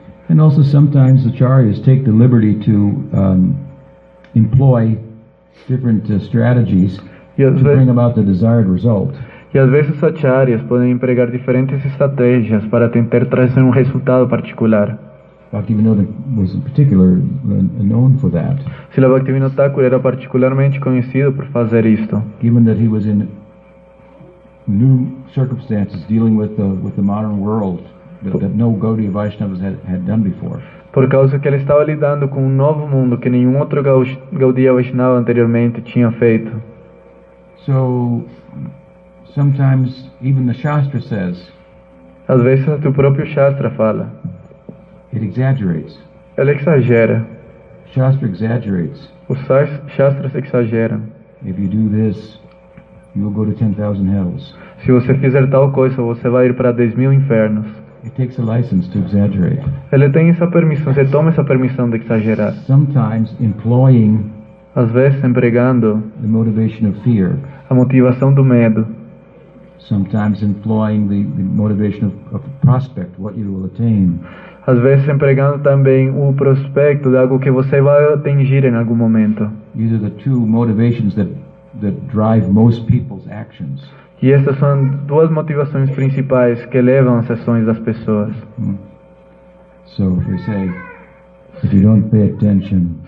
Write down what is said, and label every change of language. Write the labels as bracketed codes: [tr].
[pt] E também, [en] sometimes the acharyas take the liberty to employ different strategies to bring about the desired result. [pt] E às vezes acharyas podem empregar diferentes estratégias para tentar trazer resultado particular. [en] Bhaktivinoda was particularly known for that. [pt] Srila Bhaktivinoda Thakur era particularmente conhecido por fazer isto. [en] Given that he was in new circumstances dealing with the modern world that no Gaudiya Vaishnavas had done before. [pt] Por causa que ele estava lidando com um novo mundo que nenhum outro Gaudiya Vaishnava anteriormente tinha feito. [en] So sometimes even the Shastra says, [pt] às vezes o próprio Shastra fala, [en] it exaggerates. [pt] Ele exagera. [en] Shastra exaggerates. [pt] Os Shastras exageram. [en] If you do this, you'll go to 10,000 hells. [pt] Se você fizer tal coisa, você vai ir para 10,000 infernos. [en] It takes a license to exaggerate. [pt] Ele tem essa permissão, você toma essa permissão de exagerar. [en] Sometimes employing, [pt] às vezes empregando, [en] the motivation of fear, [pt] a motivação do medo. [en] Sometimes employing the motivation of prospect, what you will attain. [pt] Às vezes empregando também o prospecto de algo que você vai atingir em algum momento. [en] These are the two motivations that drive most people's actions. [pt] E essas são duas motivações principais que levam as ações das pessoas. [en] So if we say, if you don't pay attention,